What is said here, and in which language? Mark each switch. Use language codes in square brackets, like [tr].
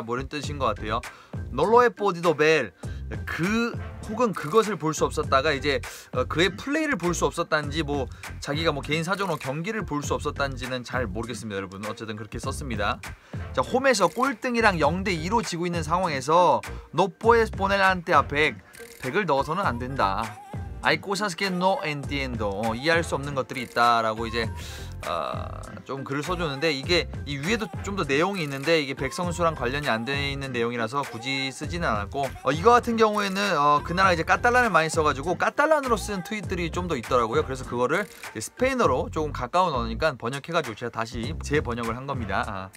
[ko] 뭐 이런 뜻인 것 같아요. 놀로에 보디도 벨. 그 혹은 그것을 볼 수 없었다가 이제 그의 플레이를 볼 수 없었단지 뭐 자기가 뭐 개인 사정으로 경기를 볼 수 없었단지는 잘 모르겠습니다, 여러분. 어쨌든 그렇게 썼습니다. 자, 홈에서 꼴등이랑 0대 2로 지고 있는 상황에서 노포에스 보넬한테 100을 넣어서는 안 된다. [es] Hay cosas que no entiendo. [ko] 이해할 수 없는 것들이 있다라고 이제 좀 글을 써줬는데 이게 이 위에도 좀 더 내용이 있는데 이게 백 선수랑 관련이 안 되어 있는 내용이라서 굳이 쓰지는 않았고 이거 같은 경우에는 그날 이제 까탈란을 많이 써가지고 까탈란으로 쓴 트윗들이 좀 더 있더라고요. 그래서 그거를 이제 스페인어로 조금 가까운 언어니까 번역해가지고 제가 다시 재번역을 한 겁니다.